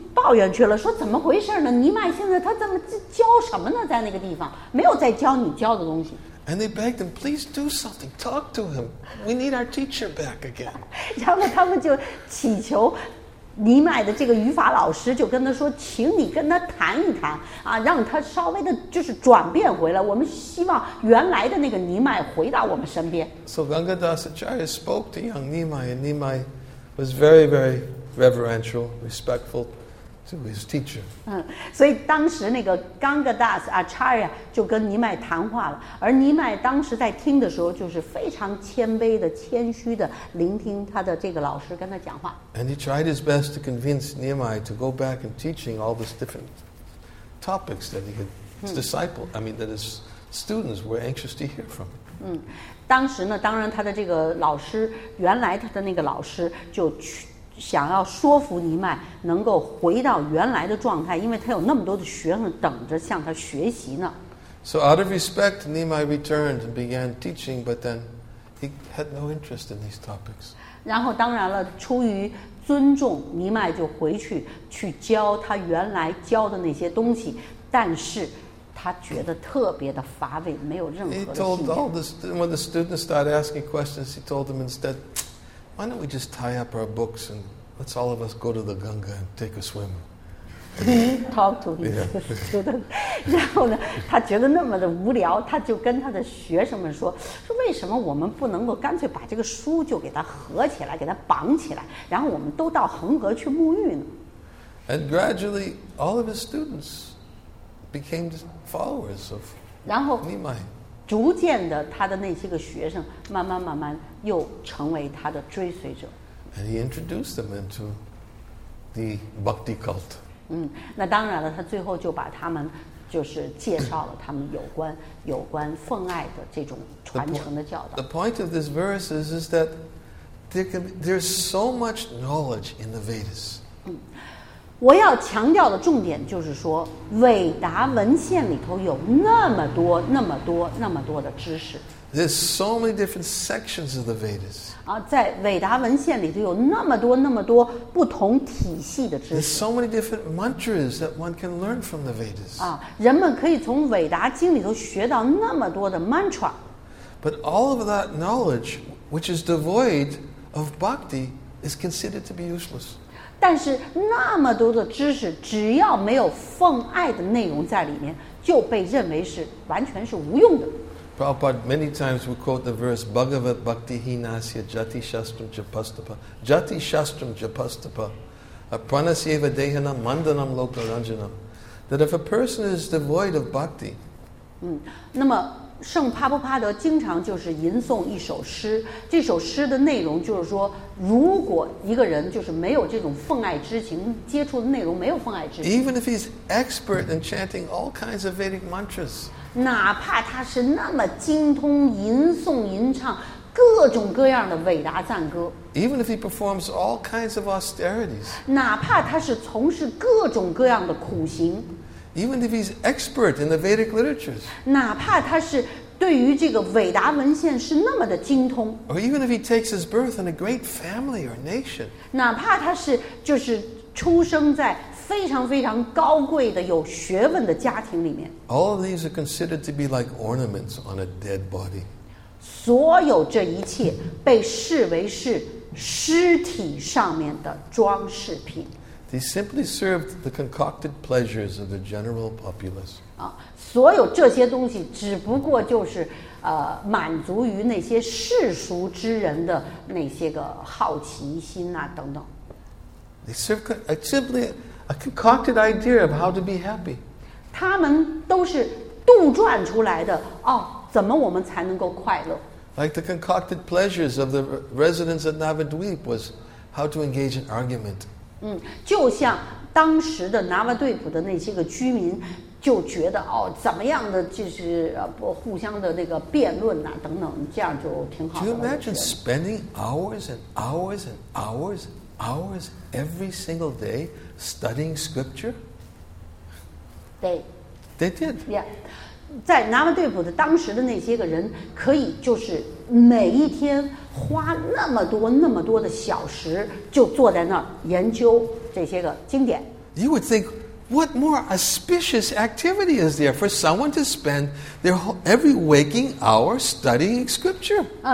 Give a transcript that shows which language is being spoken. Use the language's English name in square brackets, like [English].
[Chinese] 抱怨去了，说怎么回事呢？尼麦现在他怎么教什么呢？在那个地方没有在教你教的东西。 [English] And they begged him, please do something, talk to him. We need our teacher back again. [Chinese] 然后他们就祈求尼麦的这个语法老师，就跟他说，请你跟他谈一谈啊，让他稍微的就是转变回来。我们希望原来的那个尼麦回到我们身边。 [English] So Ganga Das Acharya spoke to young Nehemiah, and Nehemiah was very, very reverential, respectful. To his teacher. [Chinese] 嗯，所以当时那个 Ganga Das Acharya 就跟尼麦谈话了，而尼麦当时在听的时候，就是非常谦卑的、谦虚的聆听他的这个老师跟他讲话。 [English] And he tried his best to convince Nehemiah to go back and teaching all these different topics that his students were anxious to hear from. [Chinese] 嗯，当时呢，当然他的这个老师，原来他的那个老师就去。想要说服尼麦能够回到原来的状态，因为他有那么多的学生等着向他学习呢。 [English] So out of respect, Nehemiah returned and began teaching, but then he had no interest in these topics. [Chinese] 然后当然了，出于尊重，尼麦就回去去教他原来教的那些东西，但是他觉得特别的乏味，没有任何的信仰。 [English] He told all the when the students started asking questions, he told them instead, "Why don't we just tie up our books and let's all of us go to the Ganga and take a swim?" Talk to his students. [Chinese] 然后呢，他觉得那么的无聊，他就跟他的学生们说：“说为什么我们不能够干脆把这个书就给它合起来，给它绑起来，然后我们都到恒河去沐浴呢？” [English] And gradually, all of his students became followers of Nimai. [Chinese] 然后逐渐的，他的那些个学生慢慢慢慢又成为他的追随者。 [English] And he introduced them into the bhakti cult. [Chinese] 嗯，那当然了，他最后就把他们就是介绍了他们有关奉爱的这种传承的教导。 [English] The point of this verse is that there's so much knowledge in the Vedas. [Chinese] 我要强调的重点就是说，韦达文献里头有那么多、那么多、那么多的知识。 [English] There's so many different sections of the Vedas. [Chinese] 在韦达文献里头有那么多、那么多不同体系的知识。 [English] There's so many different mantras that one can learn from the Vedas. [Chinese] 人们可以从韦达经里头学到那么多的 mantra. [English] But all of that knowledge, which is devoid of bhakti, is considered to be useless. [Chinese] 但是那么多的知识，只要没有奉爱的内容在里面，就被认为是完全是无用的。 [English] Prabhupada many times we quote the verse [Sanskrit] Bhagavat Bhakti Hinasya Jati Shastram Japastapa Jati Shastram Japastapa Pranasyeva Dehana Mandanam Lokaranjanam. [English] That if a person is devoid of bhakti, [Chinese] 那么圣帕布帕德经常就是吟诵一首诗，这首诗的内容就是说，如果一个人就是没有这种奉爱之情，接触的内容没有奉爱之情。 [English] Even if he's expert in chanting all kinds of Vedic mantras, [Chinese] 哪怕他是那么精通吟诵吟唱各种各样的伟达赞歌。 [English] Even if he performs all kinds of austerities, [Chinese] 哪怕他是从事各种各样的苦行。 [English] Even if he's expert in the Vedic literatures, [Chinese] 哪怕他是对于这个韦达文献是那么的精通 [English] or even if he takes his birth in a great family or nation, [Chinese] 哪怕他是就是出生在非常非常高贵的有学问的家庭里面 [English] all of these are considered to be like ornaments on a dead body. [Chinese] 所有这一切被视为是尸体上面的装饰品。 [English] He simply served the concocted pleasures of the general populace. [Chinese] 所有这些东西只不过就是满足于那些世俗之人的那些个好奇心啊等等。 [English] They served simply a concocted idea of how to be happy. [Chinese] 他们都是杜撰出来的哦，怎么我们才能够快乐 [English] ？Like the concocted pleasures of the residents at Navadvip was how to engage in argument. [Chinese] 就像当时的拿瓦对普的那些个居民就觉得哦，怎么样的就是互相的那个辩论啊等等，这样就挺好的。 [English] Do you imagine spending hours and hours and hours and hours every single day studying scripture? They did. Yeah. [Chinese] 在拿瓦对普的当时的那些个人可以就是每一天花那么多那么多的小时就坐在那儿研究这些个经典。 [English] You would think, what more auspicious activity is there for someone to spend their whole, every waking hour studying scripture?